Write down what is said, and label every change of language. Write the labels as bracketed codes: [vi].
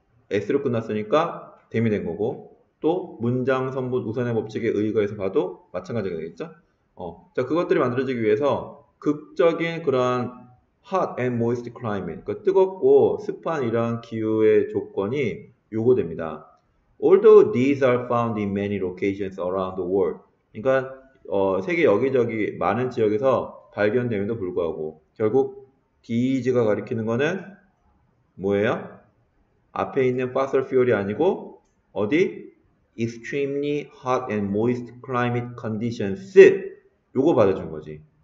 [ko] S로 끝났으니까 데미 된 거고. 또 문장 선분 우선의 법칙에 의거해서 봐도 마찬가지가 되겠죠? 자, 그것들이 만들어지기 위해서 극적인 그러한 [en] hot and moist climate. [ko] 그러니까 뜨겁고 습한 이러한 기후의 조건이 요구됩니다. [en] Although these are found in many locations around the world. [ko] 그러니까 세계 여기저기 많은 지역에서 발견됨에도 불구하고 결국 DEEZ가 가리키는 거는 뭐예요? 앞에 있는 fossil fuel이 아니고 어디? [en] Extremely hot and moist climate conditions. [ko] 요거 받아준 거지.